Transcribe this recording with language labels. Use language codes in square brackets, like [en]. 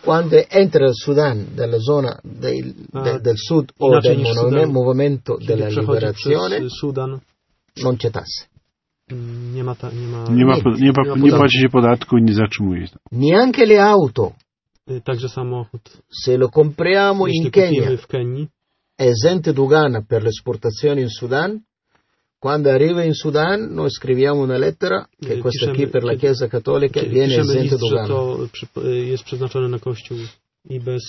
[it] Quando entra il Sudan dalla zona del sud o del movimento della liberazione, Sudan, non c'è tasse. [pl] Nie płaci się podatku i nie zatrzymuje się. [it] Neanche le auto. [pl] Także samochód. [it] Se lo compriamo in Kenya. [pl] W Kenii. [it] Esente dogana per l'esportazione in Sudan, quando arriva in Sudan noi scriviamo una lettera che questa qui per la Chiesa Cattolica viene esente dogana. [pl] To jest przeznaczone na kościół i